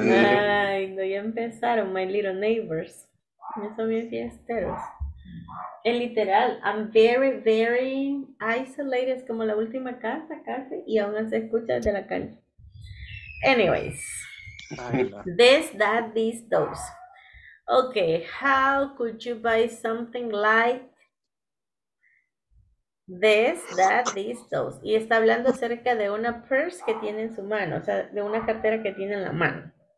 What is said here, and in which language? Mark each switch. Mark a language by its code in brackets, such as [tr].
[es] Ay, no, ya empezaron, [en] my little neighbors. [es] Yo soy bien fiestero. En literal, [en] I'm very, very isolated. [es] Es como la última casa casi y aún se escucha desde la calle. [en] Anyways, this, that, these, those. Okay, how could you buy something like this, that, these, those? [es] Y está hablando acerca de una purse que tiene en su mano, o sea, de una cartera que tiene en la mano.